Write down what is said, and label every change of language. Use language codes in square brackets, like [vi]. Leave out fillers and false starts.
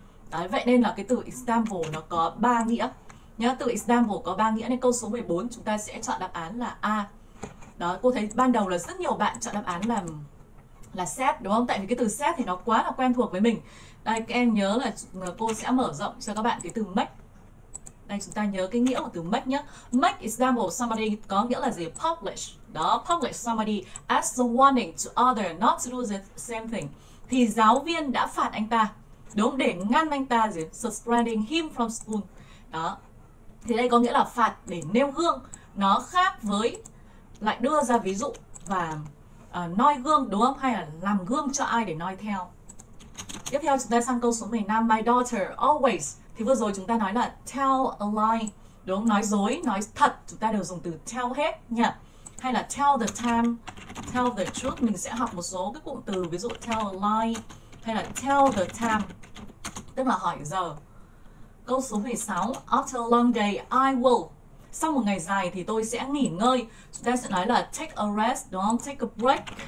[vi] Đấy, vậy nên là cái từ example nó có 3 nghĩa. Nhá, từ example có 3 nghĩa nên câu số 14 chúng ta sẽ chọn đáp án là A. Đó, cô thấy ban đầu là rất nhiều bạn chọn đáp án là set đúng không? Tại vì cái từ set thì nó quá là quen thuộc với mình. Đây, các em nhớ là cô sẽ mở rộng cho các bạn cái từ make. Đây, chúng ta nhớ cái nghĩa của từ make nhé. [en] Make example somebody [vi] có nghĩa là gì? [en] Publish. Đó, publish somebody as a warning to other not to do the same thing. [vi] Thì giáo viên đã phạt anh ta, đúng, để ngăn anh ta gì? [en] Suspending him from school. [vi] Đó, thì đây có nghĩa là phạt để nêu gương. Nó khác với lại đưa ra ví dụ và noi gương, đúng không? Hay là làm gương cho ai để noi theo. Tiếp theo chúng ta sang câu số 15. [en] My daughter always. [vi] Thì vừa rồi chúng ta nói là [en] tell a lie, [vi] đúng không? Nói dối, nói thật, chúng ta đều dùng từ tell hết nhỉ? Hay là [en] tell the time, tell the truth. [vi] Mình sẽ học một số cái cụm từ, ví dụ [en] tell a lie [vi] hay là [en] tell the time, [vi] tức là hỏi giờ. Câu số 16. [en] After a long day, I will. [vi] Sau một ngày dài thì tôi sẽ nghỉ ngơi. Chúng ta sẽ nói là [en] take a rest, [vi] đúng không? [en] Take a break.